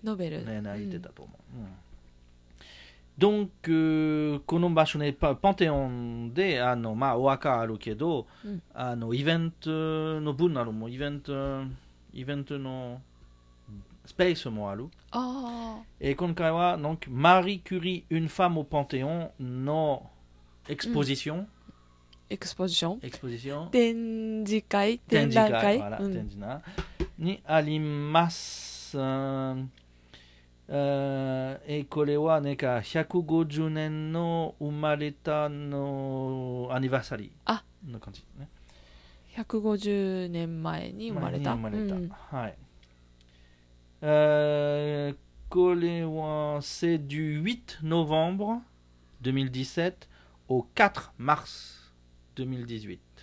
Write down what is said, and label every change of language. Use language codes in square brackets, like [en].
[ja] ノーベル、ね、泣いてたと思う、うんうん。Donc, この場所ね、パンテオンで、まあ、お墓あるけど、うん、イベントの分なのも、イベントのスペースもある。あ、今回は、 [fr] donc, Marie Curie, une femme au Panthéon [ja] のエクスポジション。エクスポジション。エクスポジション。展示会。展示会。ほら、うん、展示な。にあります。これはなんか150年の生まれたのアニバーサリーの感じ、ね、 150年前に生まれた、うん、はい。これは [fr] c'est du 8 novembre 2017 au 4 mars 2018。